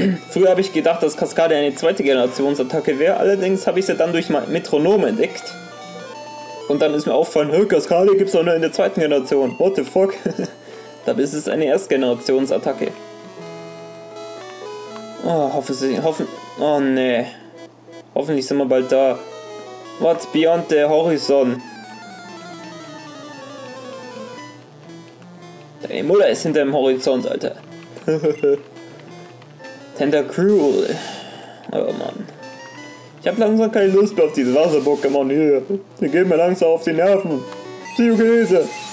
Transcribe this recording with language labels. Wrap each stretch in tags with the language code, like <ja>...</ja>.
<de>Früher habe ich gedacht, dass Kaskade eine zweite Generationsattacke wäre. Allerdings habe ich sie dann durch mein Metronom entdeckt. Und dann ist mir aufgefallen, hey, Kaskade gibt es auch nur in der zweiten Generation.</de> <en>What the fuck?</en> <de>Dabei ist es eine Erstgenerationsattacke. Oh, oh nee. Hoffentlich sind wir bald da.</de> <en>What's beyond the horizon?</en> <de>Deine Mutter ist hinter dem Horizont, Alter. Tentacruel. Oh Mann. Ich hab langsam keine Lust mehr auf diese Wasser-Pokémon hier. Die gehen mir langsam auf die Nerven. Psychokinese.</de>